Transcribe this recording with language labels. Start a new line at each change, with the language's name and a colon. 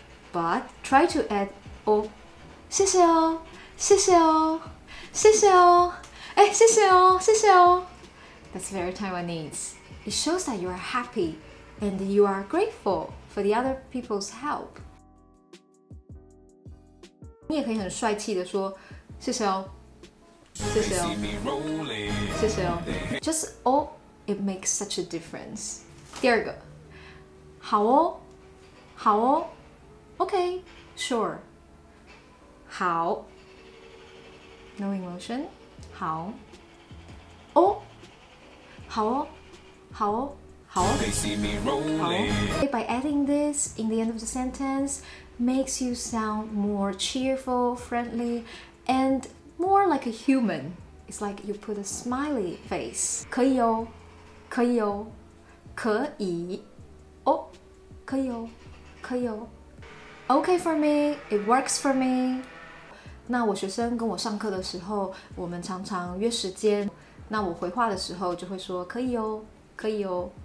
English: But try to add
Chinese: 哦，谢谢哦，谢谢哦，谢谢哦，谢谢哦，谢谢哦。
English: That's very Taiwanese. It shows that you are happy and you are grateful for the other people's help.
Chinese: 你也可以很帅气的说谢谢哦，谢谢哦，谢谢哦。
English: Just oh, it makes such a difference.
Chinese: 第二个，好哦，好哦
English: ，Okay, sure.
Chinese: 好 ，
English: No emotion.
Chinese: 好，哦。好哦，好哦，好哦，好哦。
English: By adding this in the end of the sentence, makes you sound more cheerful, friendly, and more like a human. It's like you put a smiley face.
Chinese: 可以哦，可以哦，可以哦，可以哦，可以哦。
English: Okay for me, it works for me.
Chinese: 那我学生跟我上课的时候，我们常常约时间。那我回话的时候就会说可以哦，可以哦。